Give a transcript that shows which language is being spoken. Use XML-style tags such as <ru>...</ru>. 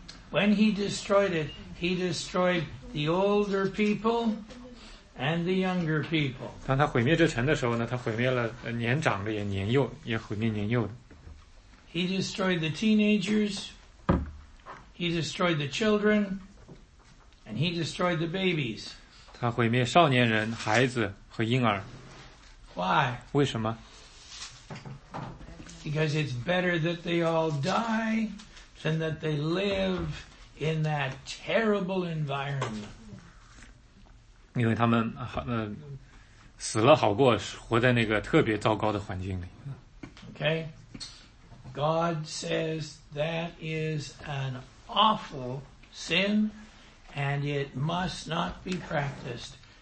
<en>When he destroyed it, he destroyed the older people and the younger people.</en> <zh>当他毁灭这城的时候呢，他毁灭了年长的也年幼，也毁灭年幼的。</zh> <en>He destroyed the teenagers, he destroyed the children, and he destroyed the babies.</en> <zh>他毁灭少年人、孩子和婴儿。</zh> <en>Why?</en> <zh>为什么?</zh> <en>Because it's better that they all die than that they live in that terrible environment.</en> <zh>因为他们死了好过活在那个特别糟糕的环境里。</zh> <en>Okay? God says that is an awful sin and it must not be practiced.</en>